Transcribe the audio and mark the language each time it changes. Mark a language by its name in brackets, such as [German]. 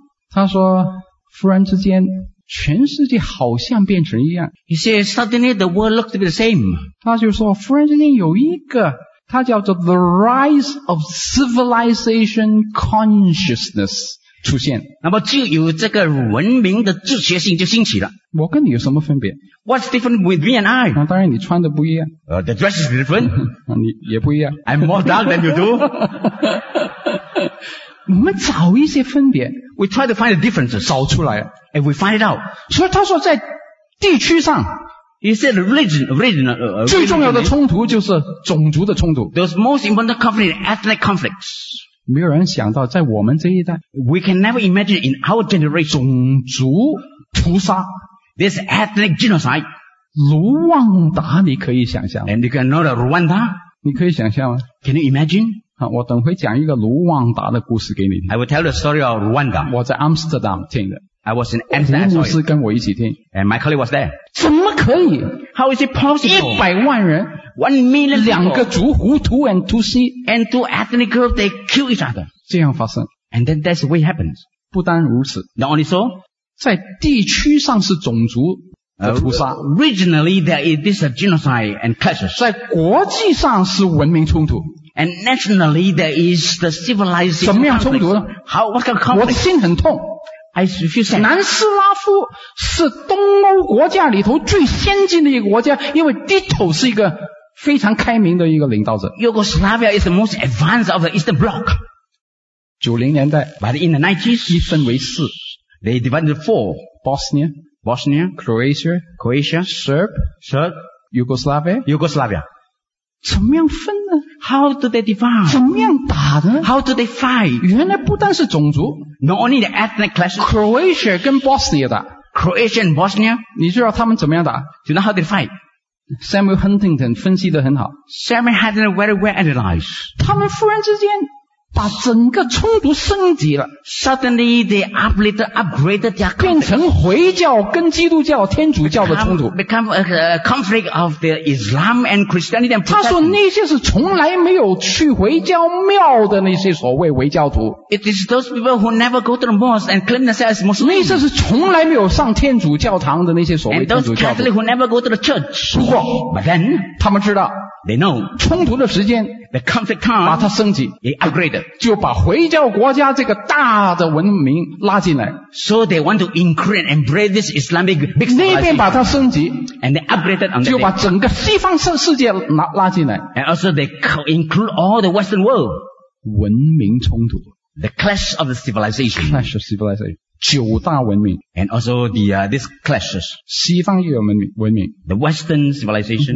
[Chinese] 他说突然之间全世界好像变成一样。 [English] He says, suddenly the world looks to be the same. [Chinese] 他就说突然之间有一个他叫做 [English] the rise of civilization consciousness [Chinese] 出现。那么就有这个文明的自觉性就兴起了。我跟你有什么分别？ [English] What's different with me and I? [Chinese] 那当然你穿的不一样。 [English] The dress is different. [Chinese] 你也不一样。 [English] I'm more dark than you do. [Chinese] 我们找一些分别。 [English] We try to find the difference. [Chinese] 找出来。 [English] And we find it out. [Chinese] 所以他说在地区上。 [English] He said region, [Chinese] 最重要的冲突就是种族的冲突。 [English] The most important conflict is ethnic conflicts. [Chinese] 没有人想到在我们这一代。 [English] We can never imagine in our generation. [Chinese] 种族屠杀。 [English] This ethnic genocide. [Chinese] 卢旺达你可以想象。 [English] And you can know the Rwanda. [Chinese] 你可以想象吗？ [English] Can you imagine? [Chinese] 我等会讲一个卢旺达的故事给你听。 [English] I will tell the story of Rwanda. [Chinese] 我在 Amsterdam 听的。 [English] I was in Amsterdam. [Chinese] 牧师跟我一起听。 [English] And my colleague was there. [Chinese] 怎么可以？ [English] How is it possible? [Chinese] 一百万人。 [English] One million people. [Chinese] 两个族胡图 [English] and two see. And two ethnic groups, they kill each other. [Chinese] 这样发生。 [English] And then that's the way it happens. [Chinese] 不单如此。 [English] Not only so. [Chinese] 在地区上是种族的屠杀。 [English] Regionally, there is this genocide and clashes. [Chinese] 在国际上是文明冲突。 [English] And nationally, there is the civilization. [Chinese] 怎么样冲突呢？ [English] How, what kind of conflict? [Chinese] 我的心很痛。 [English] I feel sad. [Chinese] 南斯拉夫是东欧国家里头最先进的一个国家，因为 Tito 是一个非常开明的一个领导者。 [English] Yugoslavia is the most advanced of the Eastern Bloc. [Chinese] 90年代。 [English] But in the 90s, [Chinese] 一分为四。 [English] They divided four. Bosnia, Croatia, Serb, Yugoslavia. [Chinese] 怎么样分呢？ [English] How do they divide? [Chinese] 怎么样打的呢？ [English] How do they fight? [Chinese] 原来不单是种族。 [English] Not only the ethnic clashes. [Chinese] Croatia 跟 Bosnia 打。 [English] Croatia and Bosnia? [Chinese] 你知道他们怎么样打？ [English] Do you know how they fight? [Chinese] Samuel Huntington 分析得很好。 [English] Samuel Huntington very well analyzed. [Chinese] 他们忽然之间把整个冲突升级了。 [English] Suddenly they upgraded their conflict. [Chinese] 变成回教跟基督教天主教的冲突。 [English] Become a conflict of the Islam and Christianity and Protestant. [Chinese] 他说那些是从来没有去回教庙的那些所谓回教徒。 [English] It is those people who never go to the mosque and claim themselves as Muslim. [Chinese] 那些是从来没有上天主教堂的那些所谓天主教徒。 [English] And those Catholic who never go to the church. [Chinese] 不过 [English] But then, [Chinese] 他们知道 [English] They know. [Chinese] 冲突的时间 [English] The conflict time. [Chinese] 把它升级 [English] It upgraded. [Chinese] 就把回教国家这个大的文明拉进来 [English] So they want to increase and embrace this Islamic big society. [Chinese] 那边把它升级 [English] And they upgraded on [Chinese] 就把整个西方世界拉进来 [English] And also they include all the Western world. [Chinese] 文明冲突 [English] The clash of the civilization. Clash of civilization. [Chinese] 九大文明 [English] and also the these clashes [Chinese] 西方也有文明 [English] the western civilization